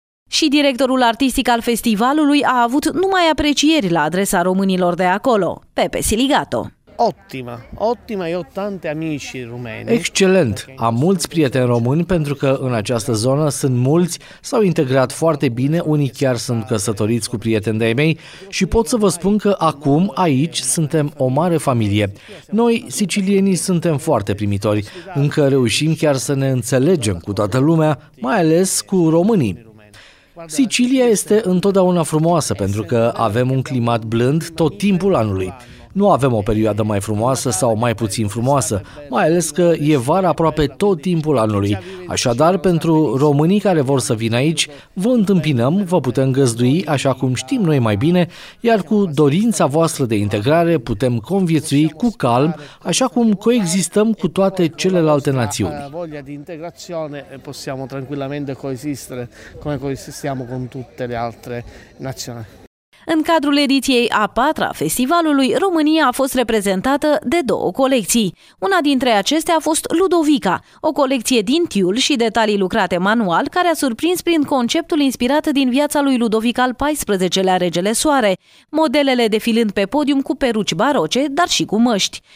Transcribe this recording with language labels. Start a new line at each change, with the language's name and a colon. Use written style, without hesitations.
Romanian: Și directorul artistic al festivalului a avut numai aprecieri la adresa românilor de acolo, Pepe Siligato.
Italian: Ottima, ottima, io ho tante amici rumeni.
Romanian: Excelent, am mulți prieteni români pentru că în această zonă sunt mulți, s-au integrat foarte bine, unii chiar sunt căsătoriți cu prieteni de-ai mei și pot să vă spun că acum, aici, suntem o mare familie. Noi, sicilienii, suntem foarte primitori, încă reușim chiar să ne înțelegem cu toată lumea, mai ales cu românii. Sicilia este întotdeauna frumoasă pentru că avem un climat blând tot timpul anului. Nu avem o perioadă mai frumoasă sau mai puțin frumoasă, mai ales că e vara aproape tot timpul anului. Așadar, pentru românii care vor să vină aici, vă întâmpinăm, vă putem găzdui așa cum știm noi mai bine, iar cu dorința voastră de integrare putem conviețui cu calm, așa cum coexistăm cu toate celelalte națiuni.
Italian: Voglia di integrazione possiamo tranquillamente coesistere come coesistiamo con tutte le altre nazioni.
Romanian: În cadrul ediției a patra festivalului, România a fost reprezentată de două colecții. Una dintre acestea a fost Ludovica, o colecție din tiul și detalii lucrate manual, care a surprins prin conceptul inspirat din viața lui Ludovic al XIV-lea, regele Soare, modelele defilând pe podium cu peruci baroce, dar și cu măști.